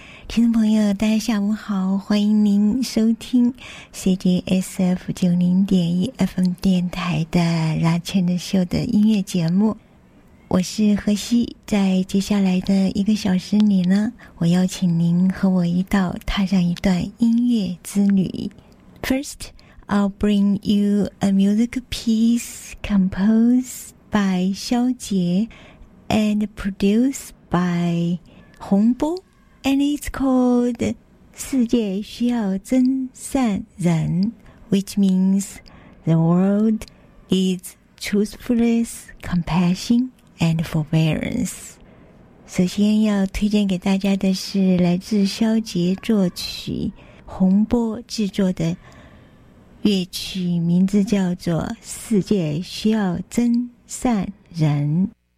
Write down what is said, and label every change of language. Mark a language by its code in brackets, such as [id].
[zh] 听众朋友，大家下午好，欢迎您收听 CJSF 90.1 FM 电台的拉圈的秀的音乐节目。我是何西，在接下来的一个小时里呢，我邀请您和我一道踏上一段音乐之旅。 [en] First, I'll bring you a music piece composed by 萧杰 and produced by 洪波 and it's called [zh] 世界需要真善人 [en] which means the world needs truthfulness, compassion,and forbearance. [zh] 首先要推荐给大家的是来自萧杰作曲洪波制作的乐曲，名字叫做世界需要真善人。